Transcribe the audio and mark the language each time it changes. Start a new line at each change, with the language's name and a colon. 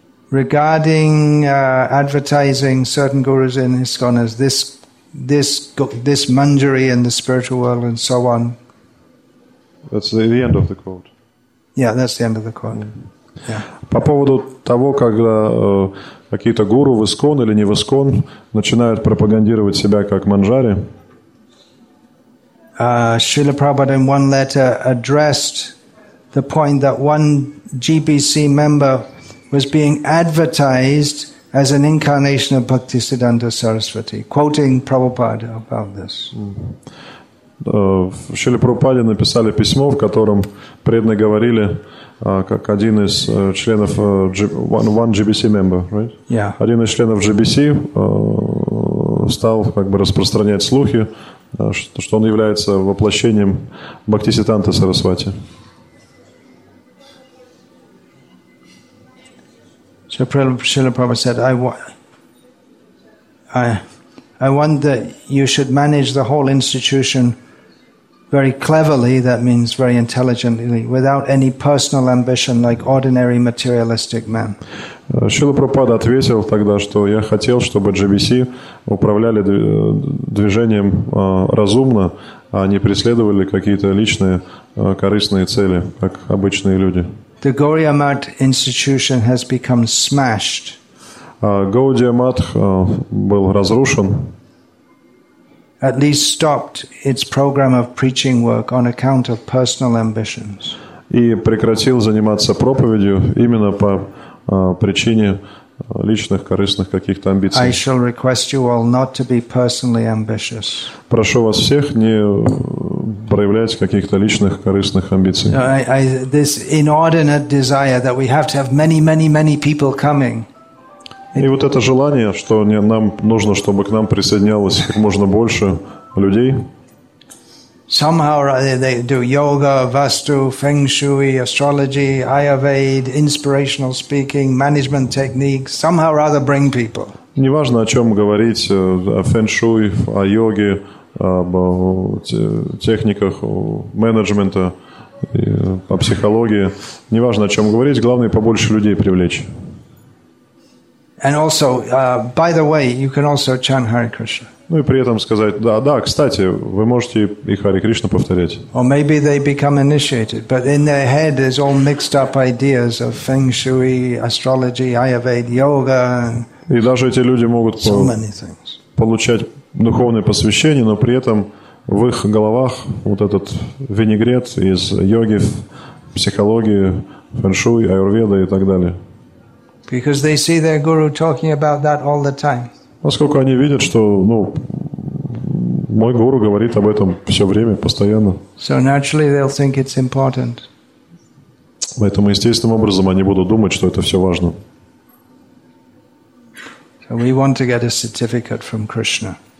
English: Regarding advertising certain gurus in ISKCON as this Manjari in the spiritual world and so on. That's the end of the quote. Yeah, that's the end of the quote. Yeah.
Russian: По поводу того, когда какие-то гуру в ИСКОН или не в ИСКОН начинают пропагандировать себя как Манджари.
English: Шрила Прабхупада in one letter addressed the point that one GBC member was being advertised as an incarnation of Bhaktisiddhanta Sarasvati, quoting Prabhupada about this.
Russian: Шрила Прабхупаде написали письмо, в котором преданные говорили, как один из членов
English: one GBC member, right? Yeah.
Russian: Один из членов GBC стал как бы распространять слухи, что он является воплощением Бхактисиддханты Сарасвати.
English: So Srila Prabhupada said, I want that you should manage the whole institution very cleverly, that means very intelligently, without any personal ambition, like ordinary materialistic man.
Russian: Шрила Прабхупада ответил тогда, что я хотел, чтобы GBC управляли движением разумно, а не преследовали какие-то личные корыстные цели, как обычные люди.
English: The Gaudiya Math institution has become smashed.
Russian: Gaudiya Math был разрушен.
English: At least stopped its program of preaching work on account of personal ambitions.
Russian: И прекратил заниматься проповедью именно по причине личных корыстных каких-то амбиций.
English: I shall request you all not to be personally ambitious.
Russian: Прошу вас всех не проявлять каких-то личных корыстных амбиций.
English: This inordinate desire that we have to have many, many, many people coming.
Russian: И вот это желание, что нам нужно, чтобы к нам присоединялось как можно больше людей.
English: Somehow they do yoga, vastu, feng shui, astrology, ayurveda, inspirational speaking, management techniques. Somehow or other bring people.
Russian: Неважно, о чем говорить, о фэншуй, о йоге, об техниках менеджмента, о психологии. Неважно, о чем говорить, главное побольше людей привлечь.
English: And also, by the way, you can also chant Hare Krishna.
Russian: Ну и при этом сказать, да, кстати, вы можете и Хари Кришна повторять.
English: Or maybe they become initiated, but in their head is all mixed up ideas of feng shui, astrology, ayurveda, yoga.
Russian: И даже эти люди могут получать духовное посвящение, но при этом в их головах вот этот винегрет из йоги, психологии, фэншуй, аюрведы и так далее.
English: Because they see their guru talking about that all the time.
Russian: Поскольку они видят, что, ну, мой гуру говорит об этом все время, постоянно.
English: So naturally they'll think it's important.
Russian: Поэтому естественным образом они будут думать, что это все важно.
English: So we want to get a certificate from Krishna.